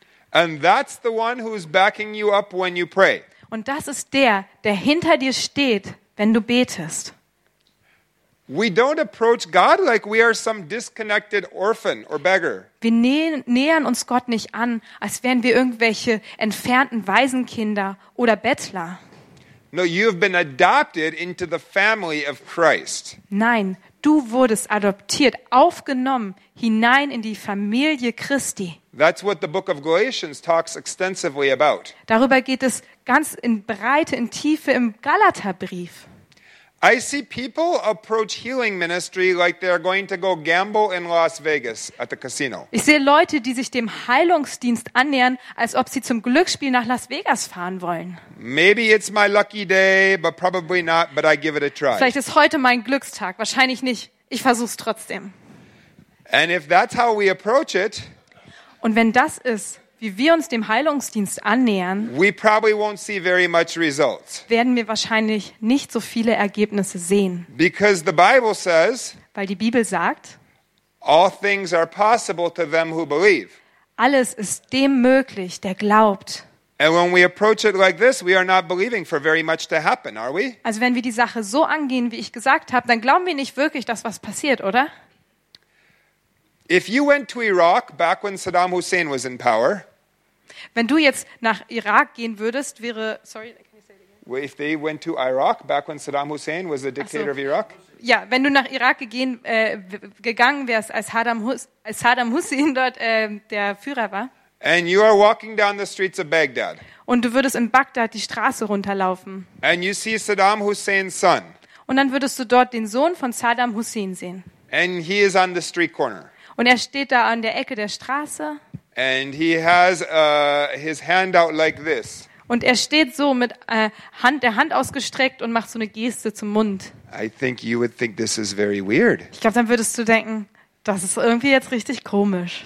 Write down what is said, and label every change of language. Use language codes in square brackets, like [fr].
[en] And that's the one who's backing you up when you pray. [de] Und das ist der, der hinter dir steht, wenn du betest. [en] We don't approach God like we are some disconnected orphan or beggar. [de] Wir nähern uns Gott nicht an, als wären wir irgendwelche entfernten Waisenkinder oder Bettler. [en] No, you have been adopted into the family of Christ. [de] Nein, du wurdest adoptiert, aufgenommen hinein in die Familie Christi. [en] That's what the book of Galatians talks extensively about. [de] Darüber geht es ganz in Breite, in Tiefe im Galaterbrief. [en] I see people approach healing ministry like they're going to go gamble in Las Vegas at the casino. [de] Ich sehe Leute, die sich dem Heilungsdienst annähern, als ob sie zum Glücksspiel nach Las Vegas fahren wollen. [en] Maybe it's my lucky day, but probably not, but I give it a try. [de] Vielleicht ist heute mein Glückstag, wahrscheinlich nicht. Ich versuch's trotzdem. [en] And if that's how we approach it, [de] und wenn das ist, wie wir uns dem Heilungsdienst annähern, [en] we probably won't see very much results. [de] Werden wir wahrscheinlich nicht so viele Ergebnisse sehen. [en] Because the Bible says, [de] weil die Bibel sagt, [en] all things are possible to them who believe. [de] Alles ist dem möglich, der glaubt. [en] And when we approach it like this, we are not believing for very much to happen, are we? [de] Also wenn wir die Sache so angehen, wie ich gesagt habe, dann glauben wir nicht wirklich, dass was passiert, oder? [en] If you went to Iraq back when Saddam Hussein was in power, [de] wenn du jetzt nach Irak gehen würdest, wäre, [en] sorry, can you say it again? If they went to Iraq back when Saddam Hussein was the dictator of Iraq. [de] Ja, wenn du nach Irak gegangen wärst, als Saddam Hussein dort der Führer war. [en] And you are walking down the streets of Baghdad. [de] Und du würdest in Bagdad die Straße runterlaufen. [en] And you see Saddam Hussein's son. [de] Und dann würdest du dort den Sohn von Saddam Hussein sehen. [en] And he is on the street corner. [de] Und er steht da an der Ecke der Straße. [en] And he has his hand out like this. [de] Und er steht so mit der Hand ausgestreckt und macht so eine Geste zum Mund. [en] I think you would think this is very weird. [de] Ich glaube, dann würdest du denken, das ist irgendwie jetzt richtig komisch.